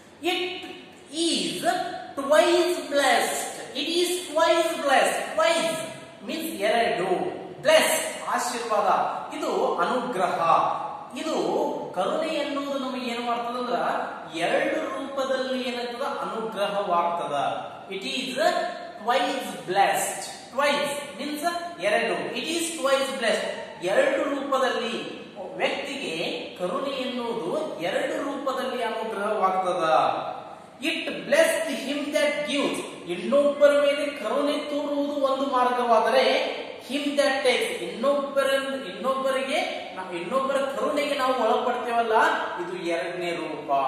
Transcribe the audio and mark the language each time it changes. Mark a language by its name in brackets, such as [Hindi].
[English] it is twice blessed, it is twice blessed, twice means ಎರಡು, blessed [Kannada] ಆಶೀರ್ವಾದ, ಇದು ಅನುಗ್ರಹ. ಇದು ಕರುಣೆ ಎನ್ನುವುದು ನಮಗೆ ಏನು ಮಾಡ್ತದ ಅಂದ್ರ, ಎರಡು ರೂಪದಲ್ಲಿ ಏನಾಗ್ತದ, ಅನುಗ್ರಹವಾಗ್ತದ. [English] It is twice blessed, twice means ಎರಡು, it is twice blessed. [Kannada] ಎರಡು ರೂಪದಲ್ಲಿ ವ್ಯಕ್ತಿಗೆ ಕರುಣೆ ಎನ್ನುವುದು ಎರಡು ರೂಪದಲ್ಲಿ ಅನುಗ್ರಹವಾಗ್ತದ. [English] it blessed him that gives, [Kannada] ಇನ್ನೊಬ್ಬರ ಮೇಲೆ ಕರುಣೆ ತೋರುವುದು ಒಂದು ಮಾರ್ಗವಾದರೆ, [English] him that takes, [Kannada] ಇನ್ನೊಬ್ಬರಿಗೆ ಇನ್ನೊಬ್ಬರ ಕರುಣೆಗೆ ನಾವು ಒಳಪಡ್ತೇವಲ್ಲ, ಇದು ಎರಡನೇ ರೂಪ.